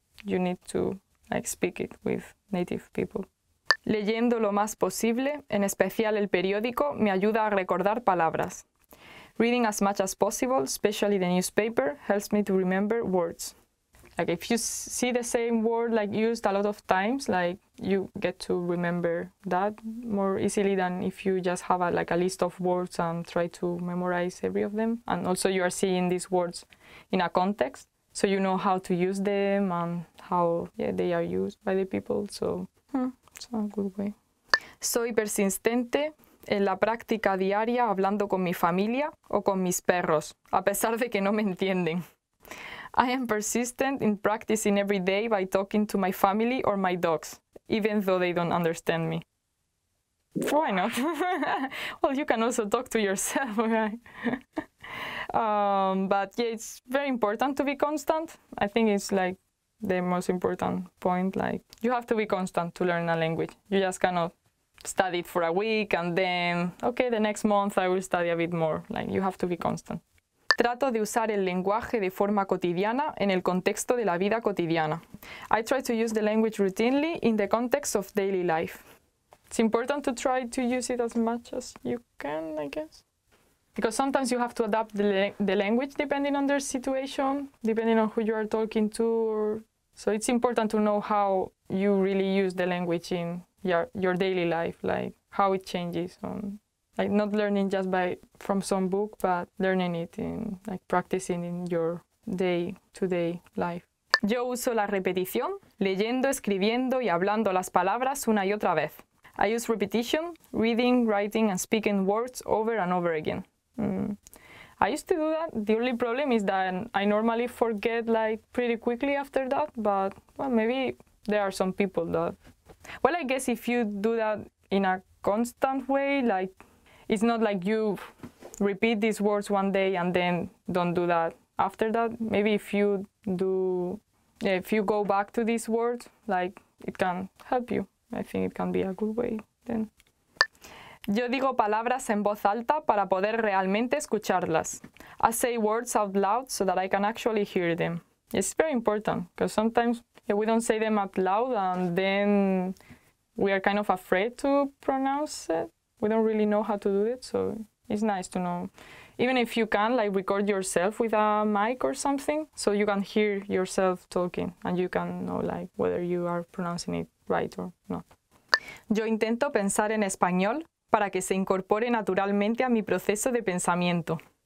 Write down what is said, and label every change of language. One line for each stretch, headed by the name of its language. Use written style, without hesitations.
English: you need to like speak it with native people.
Spanish: Leyendo lo más posible, en especial el periódico, me ayuda a recordar palabras.
English: Reading as much as possible, especially the newspaper, helps me to remember words. Like if you see the same word like used a lot of times, like you get to remember that more easily than if you just have a, like a list of words and try to memorize every of them. And also you are seeing these words in a context, so you know how to use them and how they are used by the people. So it's a good way.
Spanish: Soy persistente en la práctica diaria hablando con mi familia o con mis perros, a pesar de que no me entienden.
English: I am persistent in practicing every day by talking to my family or my dogs, even though they don't understand me. Why not? Well, you can also talk to yourself, right? But yeah, it's very important to be constant. I think it's like the most important point. Like you have to be constant to learn a language. You just cannot study it for a week and then, okay, the next month I will study a bit more. Like you have to be constant.
Spanish: Trato de usar el lenguaje de forma cotidiana en el contexto de la vida cotidiana.
English: I try to use the language routinely in the context of daily life. It's important to try to use it as much as you can, I guess. Because sometimes you have to adapt the language depending on their situation, depending on who you are talking to. So it's important to know how you really use the language in your daily life, like how it changes on. Like not learning just by from some book, but learning it in like practicing in your day-to-day life.
Spanish: Yo uso la repetición, leyendo, escribiendo y hablando las palabras una y otra vez.
English: I use repetition, reading, writing and speaking words over and over again. I used to do that. The only problem is that I normally forget like pretty quickly after that, but well, maybe there are some people that... Well, I guess if you do that in a constant way, like... It's not like you repeat these words one day and then don't do that after that. Maybe if you do, if you go back to these words, like it can help you. I think it can be a good way then.
Spanish: Yo digo palabras en voz alta para poder realmente escucharlas.
English: I say words out loud so that I can actually hear them. It's very important because sometimes we don't say them out loud and then we are kind of afraid to pronounce it. We don't really know how to do it, so it's nice to know. Even if you can, like, record yourself with a mic or something, so you can hear yourself talking and you can know, like, whether you are pronouncing it right or not.
Spanish: Yo intento pensar en español para que se incorpore naturalmente a mi proceso de pensamiento.